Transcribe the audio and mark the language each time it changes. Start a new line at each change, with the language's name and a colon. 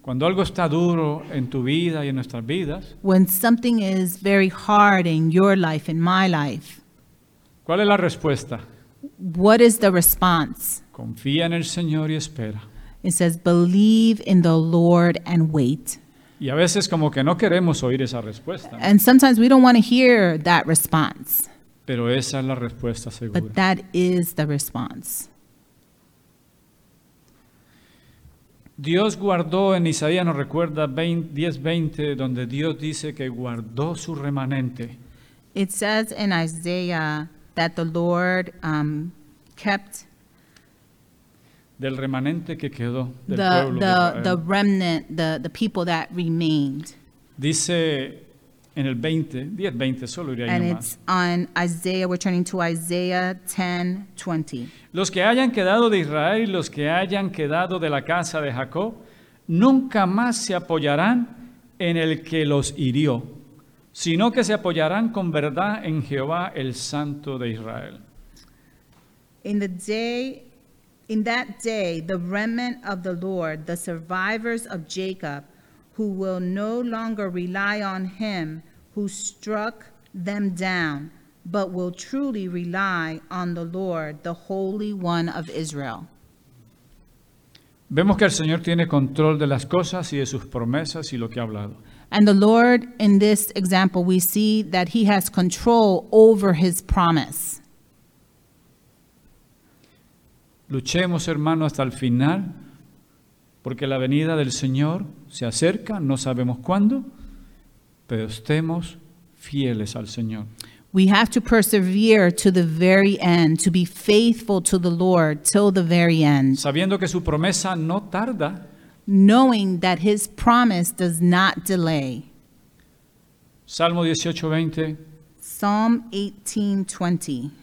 Spanish: Cuando algo está duro en tu vida y en nuestras vidas.
English: When something is very hard in your life, in my life.
Spanish: ¿Cuál es la respuesta?
English: What is the response?
Spanish: Confía en el Señor y espera.
English: It says, believe in the Lord and wait.
Spanish: Y a veces como que no queremos oír esa respuesta.
English: And sometimes we don't want to hear that response.
Spanish: Pero esa es la respuesta segura.
English: But that is the response.
Spanish: Dios guardó en Isaías, nos recuerda 10:20, donde Dios dice que guardó su remanente.
English: It says in Isaiah that the Lord kept
Spanish: del remanente que quedó, del
English: The remnant, the people that remained.
Spanish: Dice en el 10:20, solo iría ahí nomás.
English: And it's on Isaiah, we're turning to Isaiah 10:20.
Spanish: Los que hayan quedado de Israel y los que hayan quedado de la casa de Jacob, nunca más se apoyarán en el que los hirió, sino que se apoyarán con verdad en Jehová, el Santo de Israel.
English: In that day, the remnant of the Lord, the survivors of Jacob, who will no longer rely on him who struck them down, but will truly rely on the Lord, the Holy One of Israel.
Spanish: Vemos que el Señor tiene control de las cosas y de sus promesas y lo que ha hablado.
English: And the Lord, in this example, we see that he has control over his promise.
Spanish: Luchemos, hermano, hasta el final, porque la venida del Señor se acerca, no sabemos cuándo, pero estemos fieles al Señor.
English: We have to persevere to the very end, to be faithful to the Lord till the very end.
Spanish: Sabiendo que su promesa no tarda.
English: Knowing that his promise does not delay.
Spanish: Salmo 18:20.
English: Psalm 18:20.